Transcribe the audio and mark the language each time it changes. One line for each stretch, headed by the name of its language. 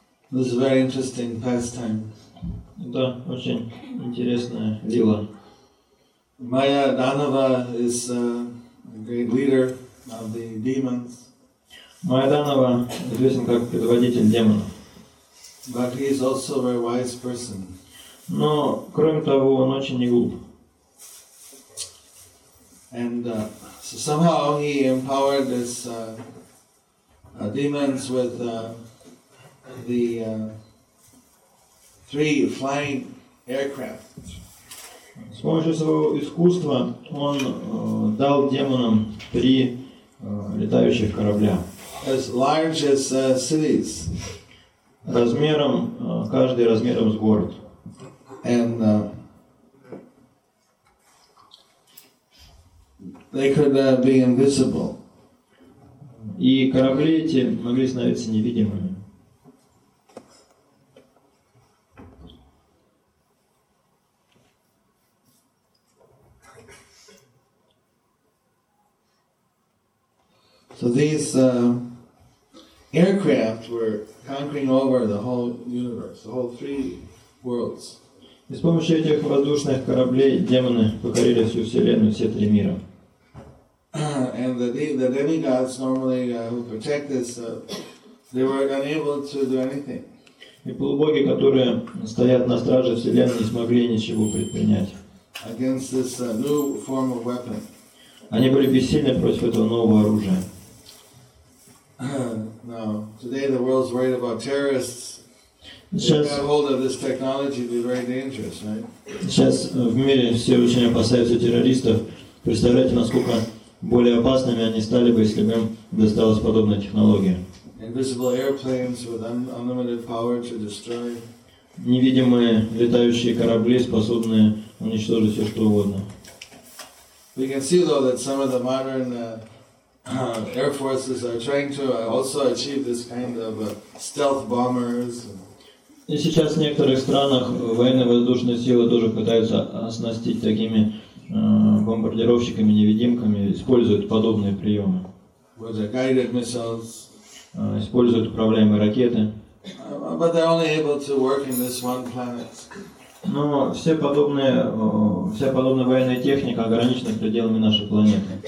English: This is a very interesting pastime.
Russian: Это очень интересная лила.
English: Майя Данава is a great leader of the demons.
Russian: Майя Данава известен как предводитель демонов.
English: But he is also a very wise person.
Russian: Но кроме того, он очень не глуп.
English: And so somehow he empowered his demons with the three flying aircraft.
Russian: С помощью своего искусства он дал демонам три летающих корабля.
English: As large as cities.
Russian: Размером, каждый размером с город.
English: And they could be invisible.
Russian: И корабли эти могли становиться невидимыми.
English: So these aircraft were conquering over the whole universe, the whole three worlds.
Russian: И с помощью этих воздушных кораблей демоны покорили всю вселенную, все три мира.
English: And the demigods normally who protect this, they were unable to do anything.
Russian: И полубоги, которые стоят на страже вселенной, не смогли ничего предпринять.
English: Against this new form of weapon.
Russian: Они были бессильны против этого нового оружия.
English: Now, today the world's worried about terrorists.
Russian: Сейчас,
English: if you got hold of this technology, it'd be very dangerous, right?
Russian: Сейчас в мире все очень опасаются террористов. Представляете, насколько более опасными они стали бы, если бы им досталась подобная технология.
English: Invisible airplanes with unlimited power to destroy.
Russian: Невидимые летающие корабли, способные уничтожить все что угодно.
English: We can see though that some of the modern air forces are trying to also achieve this kind of stealth bombers.
Russian: И сейчас в некоторых странах военно-воздушные силы тоже пытаются оснастить такими бомбардировщиками-невидимками, используют подобные приемы.
English: With the guided missiles.
Russian: Используют управляемые ракеты.
English: But they're only able to work in this one planet.
Russian: Но вся подобная военная техника ограничена пределами нашей планеты.